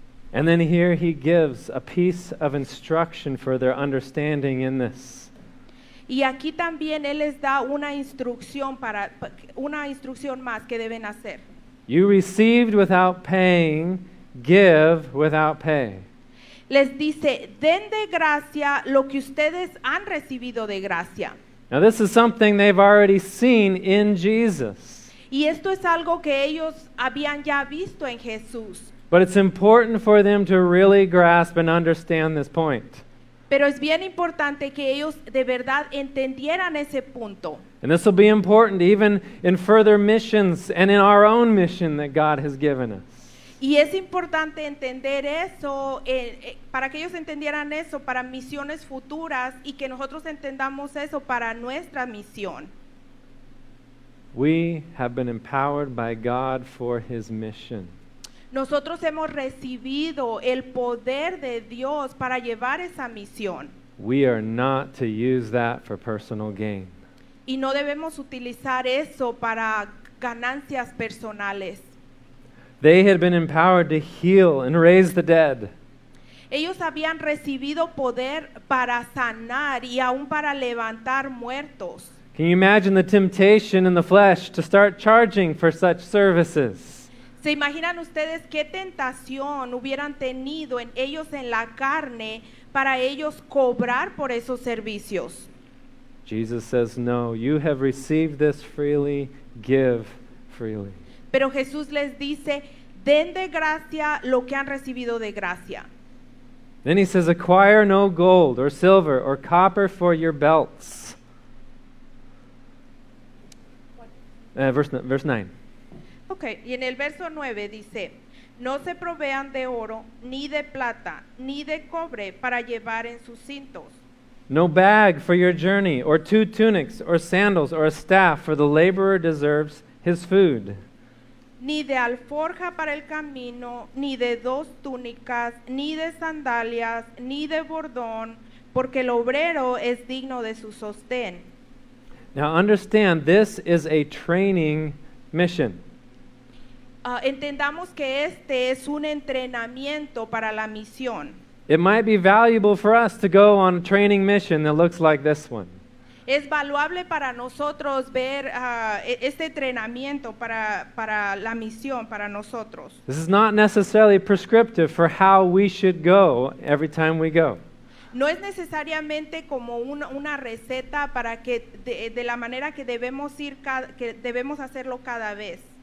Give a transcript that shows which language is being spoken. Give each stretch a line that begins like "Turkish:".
English: And then here he gives a piece of instruction for their understanding in this.
Spanish: Y aquí también él les da una instrucción más que deben hacer.
English: You received without paying, give without pay.
Spanish: Les dice, den de gracia lo que ustedes han recibido de gracia.
English: Now this is something they've already seen in Jesus.
Spanish: Y esto es algo que ellos habían ya visto en Jesús.
English: But it's important for them to really grasp and understand this point.
Spanish: Pero es bien importante que ellos de verdad entendieran ese punto.
English: And this will be important even in further missions and in our own mission that God has given us.
Spanish: Y es importante entender eso, para que ellos entendieran eso, para misiones futuras, y que nosotros entendamos eso para nuestra misión.
English: We have been empowered by God for His mission.
Spanish: Nosotros hemos recibido el poder de Dios para llevar esa misión.
English: We are not to use that for personal gain.
Spanish: Y no debemos utilizar eso para ganancias personales.
English: They had been empowered to heal and raise the dead.
Spanish: Ellos habían recibido poder para sanar y aún para levantar muertos.
English: Can you imagine the temptation in the flesh to start charging for such services?
Spanish: ¿Se imaginan ustedes qué tentación hubieran tenido en ellos en la carne para ellos cobrar por esos servicios?
English: Jesus says, no, you have received this freely, give freely.
Spanish: Pero Jesús les dice, den de gracia lo que han recibido de gracia.
English: Then he says, acquire no gold or silver or copper for your belts. Verse 9.
Spanish: Okay, y en el verso 9 dice, no se provean de oro, ni de plata, ni de cobre para llevar en sus cintos.
English: No bag for your journey, or two tunics, or sandals, or a staff, for the laborer deserves his food.
Spanish: Ni de alforja para el camino, ni de dos túnicas, ni de sandalias, ni de bordón, porque el obrero es digno de su sostén.
English: Now understand, this is a training mission.
Spanish: Entendamos que este es un entrenamiento para la misión.
English: It might be valuable for us to go on a training mission that looks like this one.
Spanish: Es valuable para nosotros ver este entrenamiento para la misión para nosotros.
English: This is not necessarily prescriptive for how we should go every time we go.
Spanish: No es necesariamente como una receta para que de la manera que debemos ir que debemos hacerlo cada vez.